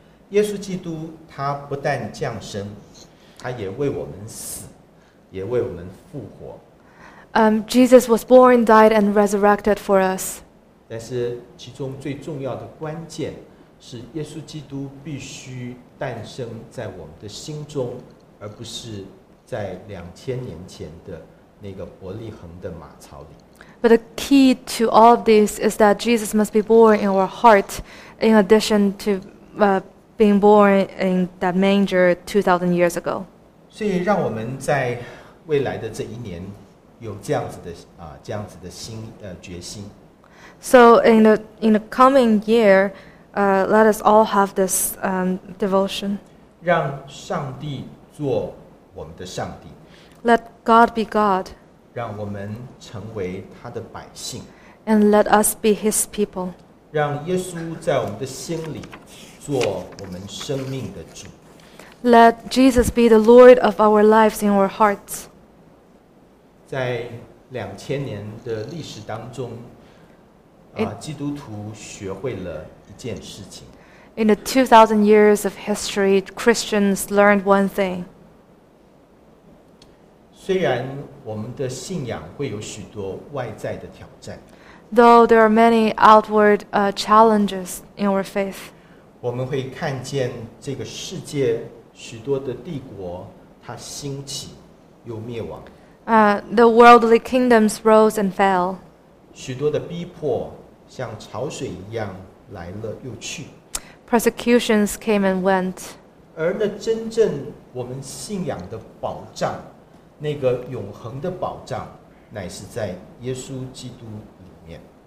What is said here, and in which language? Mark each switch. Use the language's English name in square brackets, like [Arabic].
[Chinese] 耶稣基督他不但降生，他也为我们死，也为我们复活。 [English] Jesus was born, died, and resurrected for us. [Chinese] 但是其中最重要的关键是耶稣基督必须诞生在我们的心中，而不是在2000年前的那个伯利恒的马槽里。 [English] But the key to all of this is that Jesus must be born in our heart, in addition to being born in that manger 2,000 years ago. [Chinese] 所以让我们在未来的这一年有这样子的这样子的心决心。 [English] So in the coming year, let us all have this devotion. [Chinese] 让上帝做我们的上帝。 [English] Let God be God. [Chinese] 让我们成为他的百姓。 [English] And let us be His people. [Chinese] 让耶稣在我们的心里做我们生命的主。 [English] Let Jesus be the Lord of our lives in our hearts. [Chinese] 在2000年的历史当中。基督徒学会了一件事情。 [English] In the 2,000 years of history, Christians learned one thing. [Chinese] 虽然我们的信仰会有许多外在的挑战。 [English] Though there are many outward challenges in our faith. [Chinese] 我们会看见这个世界许多的帝国，它兴起又灭亡。 [English] The worldly kingdoms rose and fell. [Chinese] 许多的逼迫像潮水一样来了又去。 [English] Persecutions came and went. [Chinese] 而那真正我们信仰的保障，那个永恒的保障，乃是在耶稣基督里面。